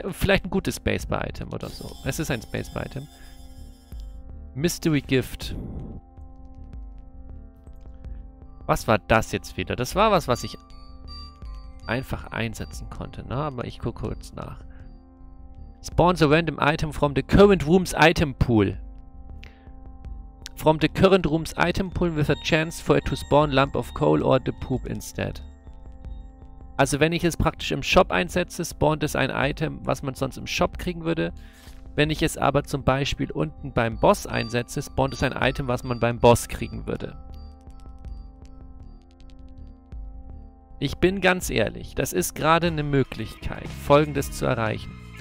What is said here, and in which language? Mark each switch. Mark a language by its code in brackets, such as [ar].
[de] Vielleicht ein gutes Spacebar-Item oder so. Es ist ein Spacebar-Item. Mystery Gift. Was war das jetzt wieder? Das war was ich einfach einsetzen konnte, ne? Aber ich gucke kurz nach. [en] Spawns a random item from the current room's item pool. From the current room's item pool with a chance for it to spawn lump of coal or the poop instead. [de] Also wenn ich es praktisch im Shop einsetze, spawnt es ein Item, was man sonst im Shop kriegen würde. Wenn ich es aber zum Beispiel unten beim Boss einsetze, spawnt es ein Item, was man beim Boss kriegen würde. Ich bin ganz ehrlich, das ist gerade eine Möglichkeit, Folgendes zu erreichen.